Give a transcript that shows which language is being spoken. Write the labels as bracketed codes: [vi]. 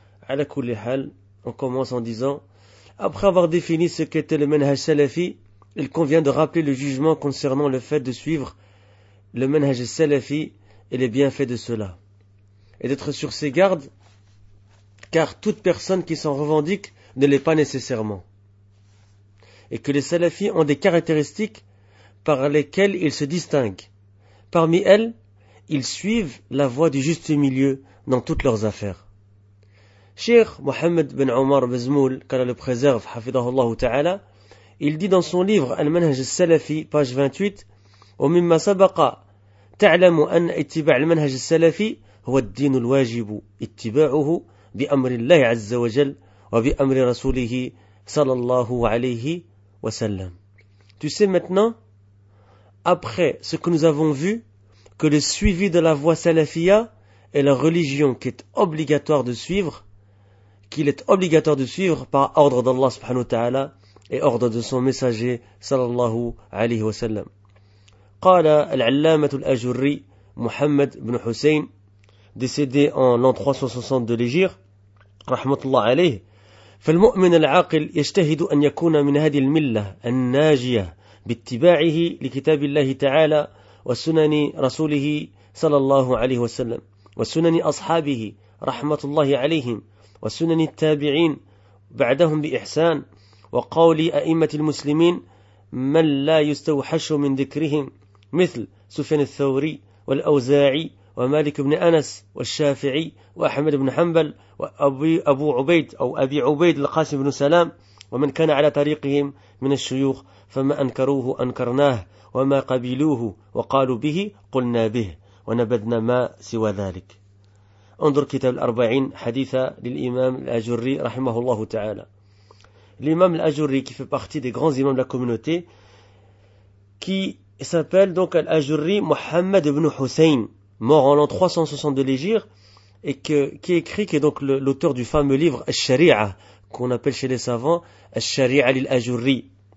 [ar] À la kulli hal, [fr] on commence en disant, après avoir défini ce qu'était le manhaj salafi, il convient de rappeler le jugement concernant le fait de suivre le manhaj salafi et les bienfaits de cela, et d'être sur ses gardes, car toute personne qui s'en revendique ne l'est pas nécessairement, et que les salafis ont des caractéristiques par lesquelles ils se distinguent. Parmi elles, ils suivent la voie du juste milieu dans toutes leurs affaires. Cheikh Mohammed bin Omar Bezmoul, qu'Allah le préserve, hafidahullah ta'ala, il dit dans son livre Al-Manhaj al-Salafi, page 28, [ar] وَمِمَّا سَبَقَ تَعْلَمُ أَنْ اتِّبَعَ الْمَنْهَجِ السَّلَفِي هُوَ الدِّينُ الْوَاجِبُ اتِّبَاعُهُ بِأَمْرِ اللَّهِ عَزَّ وَجَلْ وَبِأَمْرِ رَسُولِهِ صَلَى اللَّهُ عَلَيْهِ وَسَلَّمُ. [fr] Tu sais maintenant, après ce que nous avons vu, que le suivi de la voie salafia est la religion qui est obligatoire de suivre, qu'il est obligatoire de suivre par ordre d'Allah subhanahu wa ta'ala et ordre de son messager sallallahu alayhi wa sallam. [ar] Qala al-allamatu al-ajurri Muhammad ibn Hussein, [fr] décédé en l'an 360 de l'Hégire, [ar] rahmatullah alayhi, fal mu'min al-aqil yajtahidu an yakuna min hadhihi al-millah an-najiya bi-ittiba'ihi li kitabillahi ta'ala وسنن رسوله صلى الله عليه وسلم وسنن أصحابه رحمة الله عليهم وسنن التابعين بعدهم بإحسان وقول أئمة المسلمين من لا يستوحش من ذكرهم مثل سفيان الثوري والأوزاعي ومالك بن أنس والشافعي وأحمد بن حنبل وأبو عبيد أو أبي عبيد القاسم بن سلام ومن كان على طريقهم من الشيوخ فما أنكروه أنكرناه وما قبلوه وقالوا به قلنا به ونبذنا ما سوى ذلك. انظر كتاب الأربعين حديثا للإمام الأجري رحمه الله تعالى. [fr] L'imam al-Ajurri qui fait partie des grands imams de la communauté, qui s'appelle donc al-Ajurri Muhammad ibn Hussein, mort en l'an 360 de l'Hégire, et qui écrit, qui est donc l'auteur du fameux livre al-Sharia, qu'on appelle chez les savants al-Sharia lil-Ajurri.